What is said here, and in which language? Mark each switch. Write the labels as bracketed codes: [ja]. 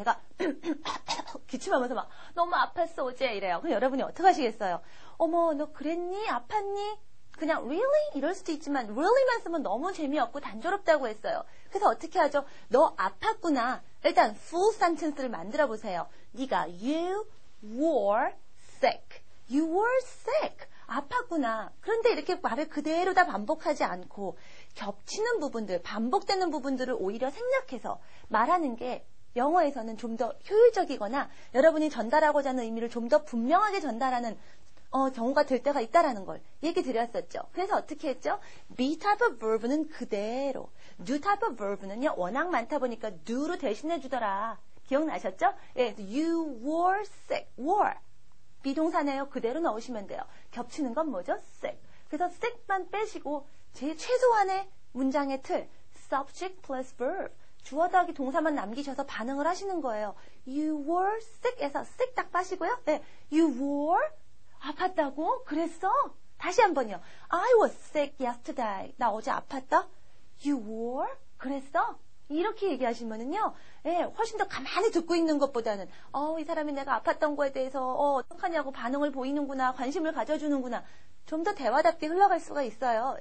[ko] 얘가 기침하면서 막 너무 아팠어 어제 이래요. 그럼 여러분이 어떻게 하시겠어요? 어머, 너 그랬니? 아팠니? 그냥 really? 이럴 수도 있지만 really만 쓰면 너무 재미없고 단조롭다고 했어요. 그래서 어떻게 하죠? 너 아팠구나. 일단 full sentence를 만들어 보세요. 네가 [en] you were sick. You were sick. [ko] 아팠구나. 그런데 이렇게 말을 그대로 다 반복하지 않고 겹치는 부분들, 반복되는 부분들을 오히려 생략해서 말하는 게 영어에서는 좀 더 효율적이거나 여러분이 전달하고자 하는 의미를 좀 더 분명하게 전달하는 경우가 될 때가 있다라는 걸 얘기 드렸었죠. 그래서 어떻게 했죠? [en] Be type of verb [ko] 는 그대로, [en] do type of verb [ko] 는요 워낙 많다 보니까 do로 대신해 주더라. 기억나셨죠? 예, [en] you were sick. [ko] were 비동사네요. 그대로 넣으시면 돼요. 겹치는 건 뭐죠? sick. 그래서 sick만 빼시고 제일 최소한의 문장의 틀, [en] subject plus verb, [ko] 주어 더하기 동사만 남기셔서 반응을 하시는 거예요. [en] You were sick에서 sick [ko] 딱 빠시고요. 네, [en] you were [ko] 아팠다고? 그랬어? 다시 한 번요. [en] I was sick yesterday. [ko] 나 어제 아팠다? [en] You were? [ko] 그랬어? 이렇게 얘기하시면은요, 예, 훨씬 더 가만히 듣고 있는 것보다는 이 사람이 내가 아팠던 거에 대해서 어떡하냐고 반응을 보이는구나, 관심을 가져주는구나, 좀 더 대화답게 흘러갈 수가 있어요.